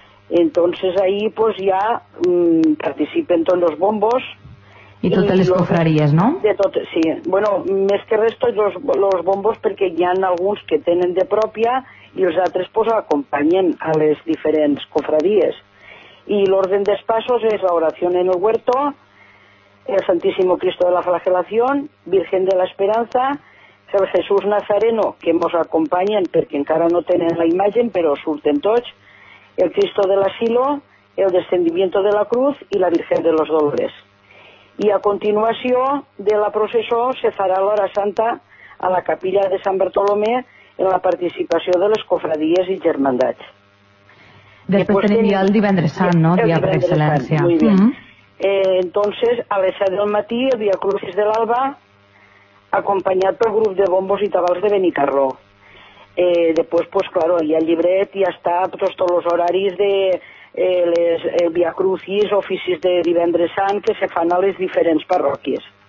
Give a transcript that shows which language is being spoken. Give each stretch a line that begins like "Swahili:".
Spanish: Entonces ahí
Catalan: pues ja participen tots els bombos. I totes les cofraries, no? De tot, sí. Bueno, més que res tots els bombos, perquè hi ha alguns que tenen de pròpia i els altres pues acompanyen a les diferents cofradies.
Spanish: Y el orden de pasos es la oración en el huerto, el Santísimo Cristo de la Flagelación, Virgen de la Esperanza, el Jesús Nazareno, que nos acompañan porque encara no tienen la imagen, pero surten todos, el Cristo del Asilo, el Descendimiento de la Cruz y la Virgen de los Dolores. Y a continuación de la proceso se hará la hora santa a la capilla de San Bartolomé en la participación de las cofradías y germandades.
Catalan: Després tenim ja el divendres sant, no? Dia per excel·lència. Entonces, a les 7 del matí, el Via Crucis de l'Alba, acompanyat pel grup de bombos i tabals de Benicarló. Després, pues claro, hi ha el llibret, hi està tots els horaris de les Via Crucis, oficis de divendres sant, que se fan a les diferents parròquies.